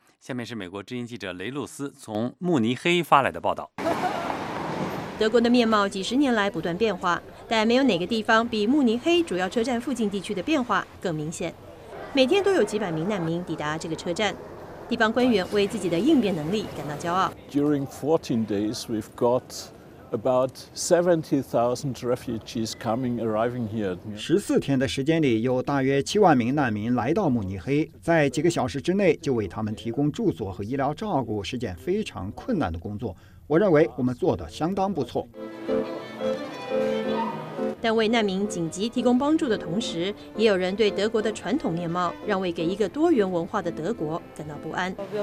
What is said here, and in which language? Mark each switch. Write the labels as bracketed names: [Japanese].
[Chinese] 下面是美国之音记者雷露斯从慕尼黑发来的报道。德国的面貌几十年来不断变化，但没有哪个地方比慕尼黑主要车站附近地区的变化更明显。每天都有几百名难民抵达这个车站，地方官员为自己的应变能力感到骄傲。 [English] During 14 days we've got about 70,000 refugees arriving here. [Chinese] 14天的时间里，有大约70,000名难民来到慕尼黑，在几个小时之内就为他们提供住所和医疗照顾是件非常困难的工作。我认为我们做得相当不错。但为难民紧急提供帮助的同时，也有人对德国的传统面貌让位给一个多元文化的德国感到不安。